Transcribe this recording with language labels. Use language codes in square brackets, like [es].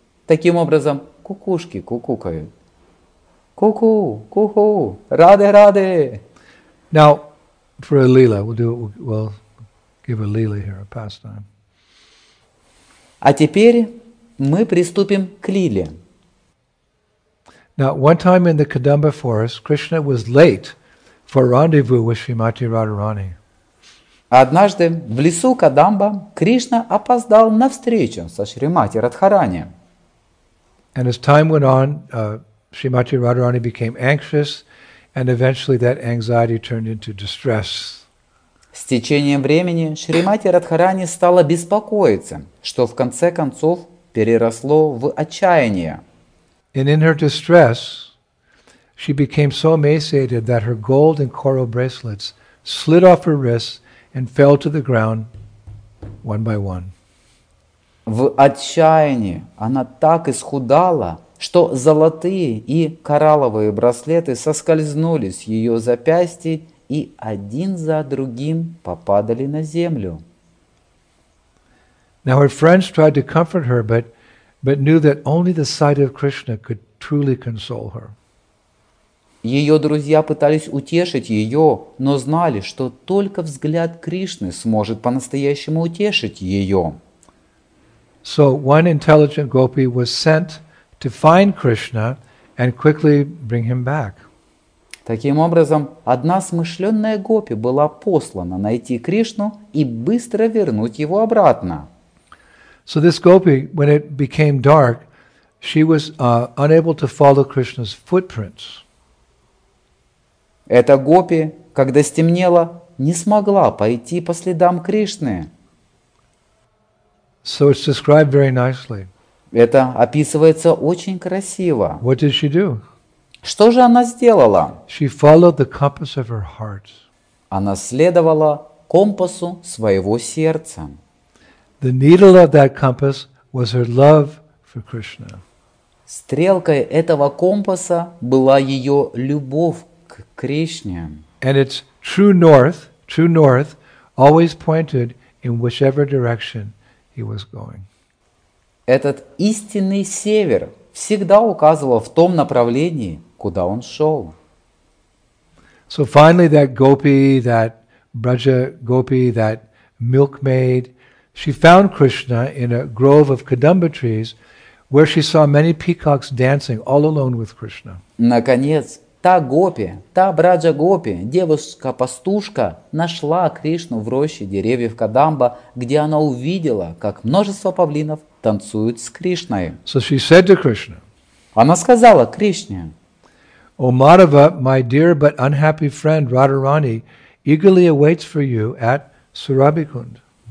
[ru] Таким образом, кукушки кукукают. «Ку-ху, ку-ху, рады, рады!» [en] Now, for a lila, we'll give a lila here, a pastime. [ru] А теперь мы приступим к лиле. [en] Now, one time in the Kadamba forest, Krishna was late for rendezvous with Srimati Radharani. [ru] Однажды в лесу Кадамба Кришна опоздал на встречу со Шримати Радхарани. [en] And as time went on, Srimati Radharani became anxious, and eventually that anxiety turned into distress. [ru] С течением времени Шримати Радхарани стала беспокоиться, что в конце концов переросло в отчаяние. [en] And in her distress, she became so emaciated that her gold and coral bracelets slid off her wrists and fell to the ground one by one. [ru] В отчаянии она так исхудала, что золотые и коралловые браслеты соскользнули с ее запястий и один за другим попадали на землю. [en] Now her friends tried to comfort her, but knew that only the sight of Krishna could truly console her. [ru] Ее друзья пытались утешить ее, но знали, что только взгляд Кришны сможет по-настоящему утешить ее. [en] So one intelligent gopi was sent to find Krishna and quickly bring him back. [ru] Таким образом, одна смышленная гопи была послана найти Кришну и быстро вернуть его обратно. [en] So this gopi, when it became dark, she was unable to follow Krishna's footprints. [ru] Эта гопи, когда стемнело, не смогла пойти по следам Кришны. [en] So it's described very nicely. [ru] Это описывается очень красиво. [en] What did she do? [ru] Что же она сделала? [en] She followed the compass of her heart. [ru] Она следовала компасу своего сердца. [en] The needle of that compass was her love for Krishna. [ru] Стрелкой этого компаса была ее любовь к Кришне. [en] And its true north, always pointed in whichever direction he was going. [ru] Этот истинный север всегда указывал в том направлении, куда он шел. [en] So finally that gopi, that braja gopi, that milkmaid, she found Krishna in a grove of kadamba trees where she saw many peacocks dancing all alone with Krishna. [ru] Наконец, та браджа гопи, девушка-пастушка, нашла Кришну в роще деревьев Кадамба, где она увидела, как множество павлинов танцуют с Кришной. [en] So she said to Krishna, [ru] она сказала Кришне, [en] O Madhava, my dear but unhappy friend Radharani eagerly awaits for you at Surabhikund.